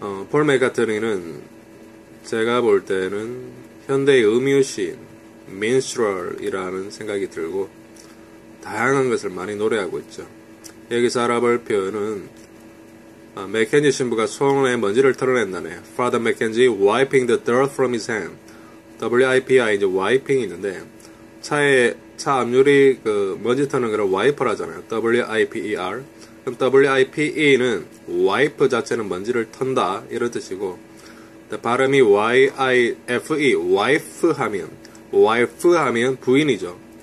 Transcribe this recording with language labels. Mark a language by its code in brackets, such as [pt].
[ko] 폴 매카트니는 제가 볼 때는 현대의 음유시인, 민스트럴이라는 생각이 들고, 다양한 것을 많이 노래하고 있죠. 여기서 알아볼 표현은 맥켄지 신부가 손에 먼지를 털어낸다네. [en] Father Mackenzie wiping the dirt from his hand. [ko] W-I-P-I 이제 wiping 있는데, 차 앞유리 그 먼지 터는 걸 wiper 하잖아요. [en] W-I-P-E-R. [ko] 그럼 W-I-P-E는 wipe 자체는 먼지를 턴다 이런 뜻이고, 발음이 Y-I-F-E, wife 하면, wife 하면 부인이죠.